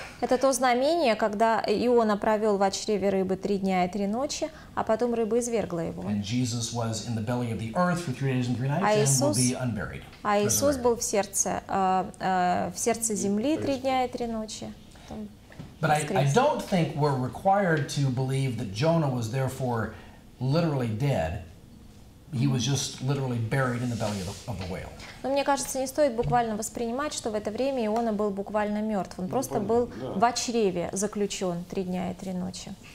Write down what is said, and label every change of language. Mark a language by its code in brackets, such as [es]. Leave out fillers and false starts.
[ru] Это то знамение, когда Иона провел в чреве рыбы 3 дня и 3 ночи, а потом рыба извергла его. [en] And Jesus was in the belly of the earth for 3 days and 3 nights, and will be unburied. [ru] А Иисус был в сердце земли 3 дня и 3 ночи. [en] But I don't think we're required to believe that Jonah was therefore literally dead. He was just literally buried in the belly of the whale. [ru] Но мне кажется, не стоит буквально воспринимать, что в это время Иона был буквально мертв. Он просто был в чреве заключен 3 дня и 3 ночи.